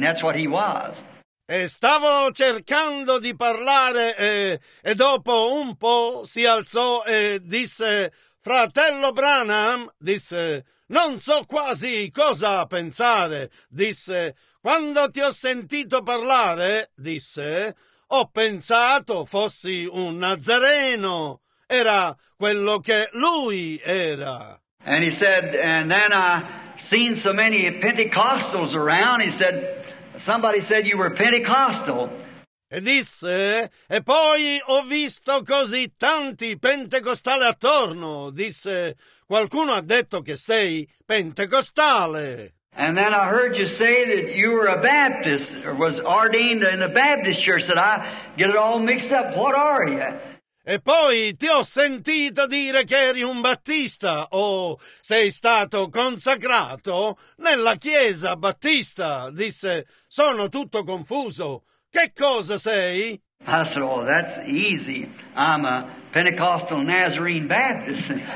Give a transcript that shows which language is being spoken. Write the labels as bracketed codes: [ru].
[en] That's what he was. [it] E stavo cercando di parlare e dopo un po' si alzò e disse, Fratello Branham, disse, non so quasi cosa pensare, disse, quando ti ho sentito parlare, disse, ho pensato fossi un Nazareno. Era quello che lui era. [en] And he said, and then I seen so many Pentecostals around, he said, somebody said you were Pentecostal. [it] E disse, e poi ho visto così tanti pentecostali attorno, disse, qualcuno ha detto che sei pentecostale. [en] And then I heard you say that you were a Baptist, or was ordained in a Baptist church, and I get it all mixed up, what are you? [it] E poi ti ho sentito dire che eri un battista, o sei stato consacrato nella chiesa battista, disse, sono tutto confuso. Che cosa sei? [en] I said, oh, that's easy. I'm a Pentecostal Nazarene Baptist.